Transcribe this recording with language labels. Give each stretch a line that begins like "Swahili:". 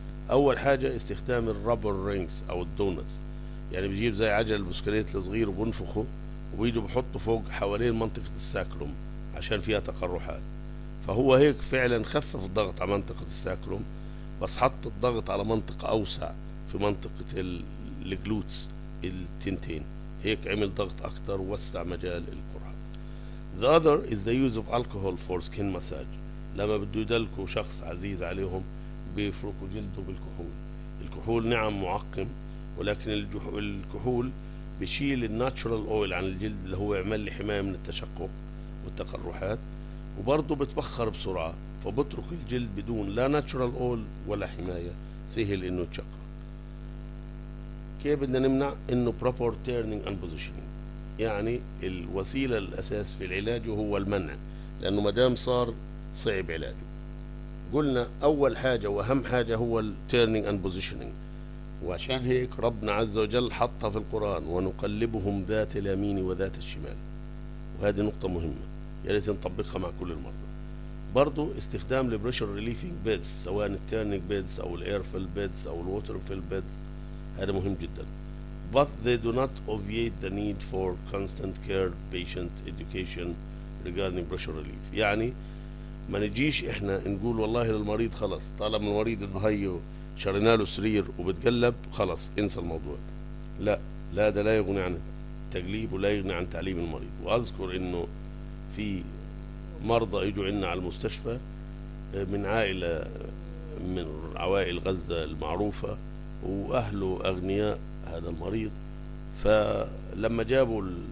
Arabic: أول حاجة استخدام الرابر رينجز أو الدونتس، يعني بيجيب زي عجل البسكليت الصغير وبنفخه ويجوا بحطه فوق حوالين منطقة الساكروم عشان فيها تقرحات، فهو هيك فعلا خفف الضغط على منطقة الساكروم، بس حط الضغط على منطقة أوسع في منطقة الجلوتس التنتين، هيك عمل ضغط أكتر ووسع مجال القرحة.
English: The other is the use of alcohol for skin massage،
Arabic: لما بدو يدلكوا شخص عزيز عليهم بيفركوا جلده بالكحول. الكحول نعم معقم، ولكن الكحول بيشيل الناتشرال اويل عن الجلد اللي هو يعمل لي حماية من التشقق والتقرحات، وبرضه بتبخر بسرعة، فبترك الجلد بدون لا ناتشرال اويل ولا حماية، سهل انه يتشقق. كيف بدنا نمنع؟ انه
English: proper turning and positioning،
Arabic: يعني الوسيلة الاساس في العلاج هو المنع، لانه مدام صار صعب علاجه. قلنا اول حاجة واهم حاجة هو
English: turning and positioning،
Arabic: وعشان هيك ربنا عز وجل حطها في القرآن، ونقلبهم ذات اليمين وذات الشمال، وهذه نقطة مهمة ياريت نطبقها مع كل المرضى. برضو استخدام البريشر ريليفينج بيدز، سواء التيرنينج بيدز او الاير فيل بيدز او الووتر فيل بيدز، هذا مهم جدا.
English: but they do not obviate the need for constant care, patient education regarding pressure relief.
Arabic: يعني ما نجيش احنا نقول والله للمريض خلص طالما المريض انه هيو شرينا له سرير وبتقلب خلص انسى الموضوع. لا لا ده لا يغني عن التقليب ولا يغني عن تعليم المريض. واذكر انه في مرضى يجوا عندنا على المستشفى من عائلة من عوائل غزة المعروفة واهله اغنياء هذا المريض، فلما جابوا